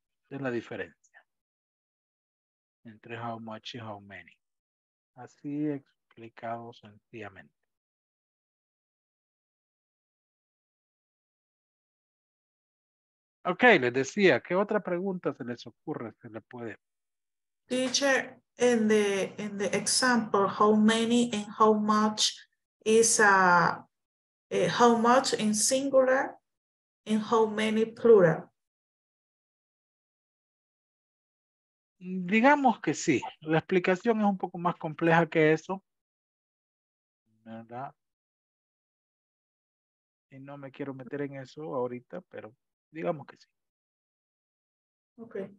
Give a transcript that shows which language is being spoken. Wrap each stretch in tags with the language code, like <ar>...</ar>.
<es>Es la diferencia entre how much y how many. Así explicado sencillamente. Ok, les decía, ¿qué otra pregunta se les ocurre? Se le puede.</es> <en>Teacher, in the example, how many and how much is how much in singular and how many plural?</en> <es>Digamos que sí, la explicación es un poco más compleja que eso, ¿verdad? Y no me quiero meter en eso ahorita, pero digamos que sí. Ok.</es>